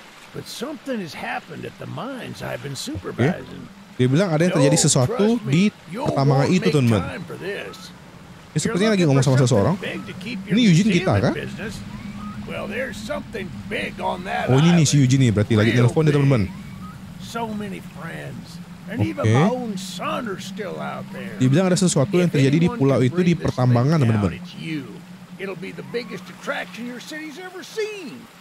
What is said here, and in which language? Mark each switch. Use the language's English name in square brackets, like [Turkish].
[English] But something has happened at the mines I've been supervising. [Indonesian] Dia bilang ada yang terjadi sesuatu di pertambangan itu, teman-teman. Ini sepertinya lagi ngomong sama seseorang. Ini Eugene kita kan? [English] Well, there's something big on that. [Indonesian] Oh, ini si Eugene nih, berarti lagi nelpon dia, teman-teman. [English] So many friends and even my own son are still out there. [Indonesian] Dia bilang ada sesuatu yang terjadi di pulau itu di pertambangan, teman-teman. [English] It'll be the biggest attraction your city's ever seen.